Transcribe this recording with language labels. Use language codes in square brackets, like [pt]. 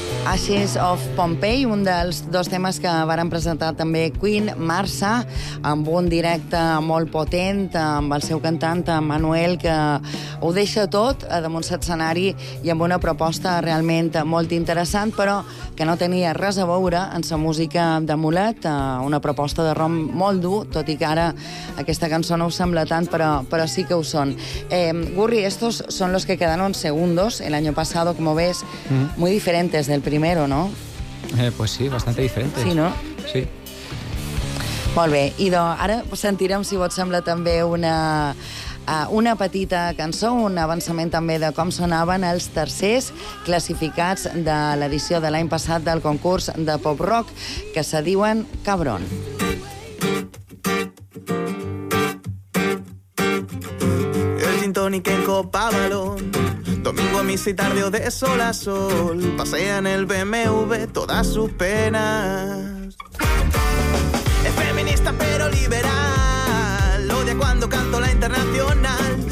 [ca] Ashes of Pompeii, un dels dos temes que varen presentar també Queen Marsa, amb un directe molt potent, amb el seu cantant Manuel, que ho deixa tot damunt l'escenari i amb una proposta realment molt interessant, però que no tenia res a veure amb la música de Mulet, una proposta de rom molt dur, tot i que ara aquesta cançó no ho sembla tant, però sí que ho són. [es] Gurri, estos son los que quedaron segundos el año pasado, como ves, muy diferentes del primero, ¿no? Pues sí, bastante diferentes. Sí, ¿no? Sí. [ca] Molt bé, idò, ara sentirem, si vos sembla, també una... una petita cançó, un avançament també de com sonaven els tercers classificats de l'edició de l'any passat del concurs de pop rock, que se diuen Cabron. [es] El gin tònic en copa balón, domingo a misa y tarde o de sol a sol, pasea en el BMW todas sus penas. Es feminista pero liberal, odia cuando canto la Internacional.